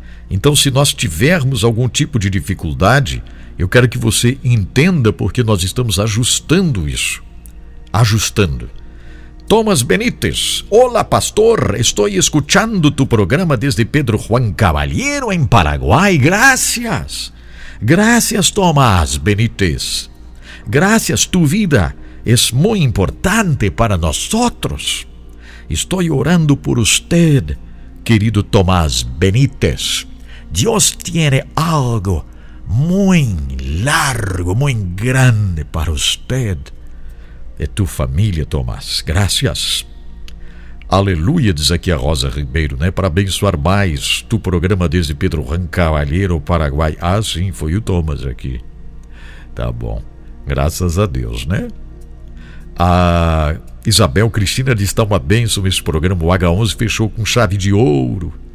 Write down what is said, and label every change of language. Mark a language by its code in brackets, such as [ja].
[pt] Então se nós tivermos algum tipo de dificuldade, eu quero que você entenda porque nós estamos ajustando isso. Ajustando. Thomas Benítez. Olá, pastor. Estou escutando tu programa desde Pedro Juan Caballero, em Paraguai. [es] Gracias. Gracias, Thomas Benítez. Gracias, tu vida es muy importante para nosotros. Estoy orando por usted, querido Tomás Benítez. Dios tiene algo muy largo, muy grande para usted y tu familia, Tomás. Gracias. [pt] Aleluya, diz aqui a Rosa Ribeiro, né? Para abençoar mais tu programa desde Pedro Juan Caballero, Paraguay. Ah, sim, foi o Tomás aqui. Tá bom. Graças a Deus, né? A Isabel Cristina diz, está uma bênção esse programa. O H11 fechou com chave de ouro.